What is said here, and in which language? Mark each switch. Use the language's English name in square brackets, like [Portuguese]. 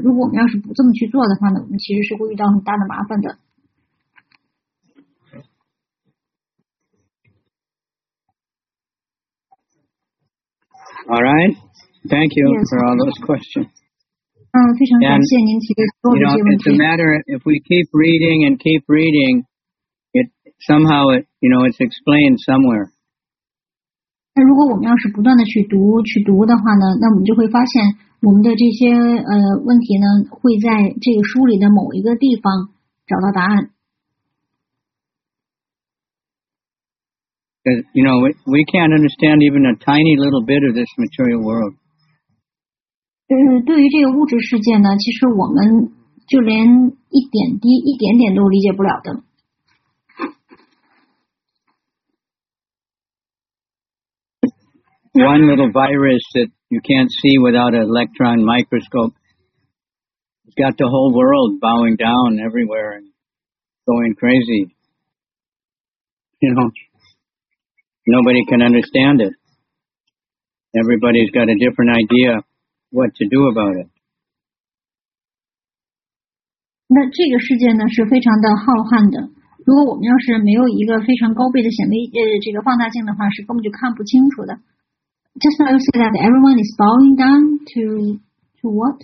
[Chinese] 如果我们要是不这么去做的话呢，我们其实是会遇到很大的麻烦的。 [English] All right. Thank you for all those questions. [Chinese] 非常感谢您提的所有问题。 [English] You know, it's a matter if we keep reading and keep reading, it somehow it, you know, it's explained somewhere. [Chinese] 那如果我们要是不断的去读的话呢，那我们就会发现我们的这些问题呢，会在这个书里的某一个地方找到答案。 [English] Because, you know, we can't understand even a tiny little bit of this material world. [Chinese] 对于这个物质世界呢，其实我们就连一点点都理解不了的。 [English] One little virus that you can't see without an electron microscope. It's got the whole world bowing down everywhere and going crazy. You know? Nobody can understand it. Everybody's got a different idea what to do about it. [Chinese] 那这个世界呢是非常的浩瀚的。如果我们要是没有一个非常高倍的显微这个放大镜的话，是根本就看不清楚的。 [English] Just now you said that everyone is bowing down to what?